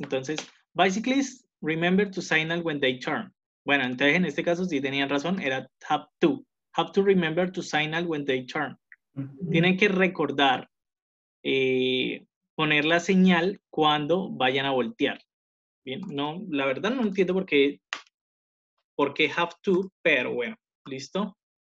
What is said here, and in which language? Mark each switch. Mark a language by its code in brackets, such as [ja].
[en] Entonces, bicyclists remember to signal when they turn. [es] Bueno, entonces en este caso sí tenían razón, era have to. [en] Have to remember to signal when they turn. [es] Tienen que recordar poner la señal cuando vayan a voltear. Bien, no, la verdad no entiendo por qué have to, pero bueno, listo.